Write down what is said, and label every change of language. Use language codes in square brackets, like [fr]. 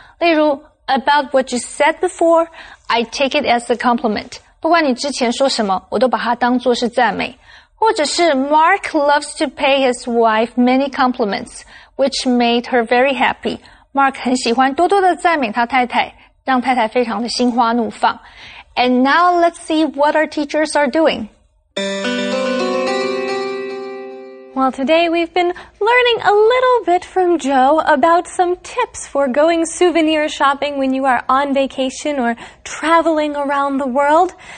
[zh] 例如 [en] About what you said before, I take it as a compliment. [zh] 不管你之前说什么，我都把它当作是赞美。或者是 [en] Mark loves to pay his wife many compliments, which made her very happy. [zh] Mark 很喜欢多多的赞美他太太，让太太非常的心花怒放。 [en] And now let's see what our teachers are doing. Well, today we've been learning a little bit from Joe about some tips for going souvenir shopping when you are on vacation or traveling around the world.